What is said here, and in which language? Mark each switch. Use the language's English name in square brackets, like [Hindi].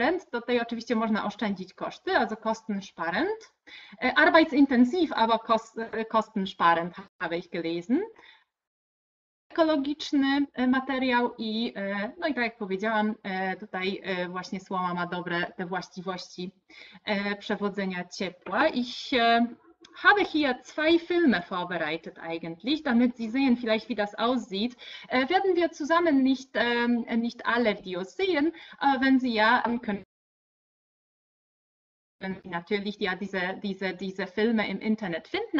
[Polish] To tutaj oczywiście można oszczędzić koszty, [German] also kostensparend. Arbeitsintensiv, aber kostensparend, habe ich gelesen. [Polish] ekologiczny materiał i, no i tak jak powiedziałam, tutaj właśnie słoma ma dobre te właściwości przewodzenia ciepła. [German] Ich habe hier zwei Filme vorbereitet eigentlich, damit Sie sehen vielleicht, wie das aussieht. Werden wir zusammen nicht alle Videos sehen, aber wenn Sie ja, können Sie natürlich ja diese Filme im Internet finden.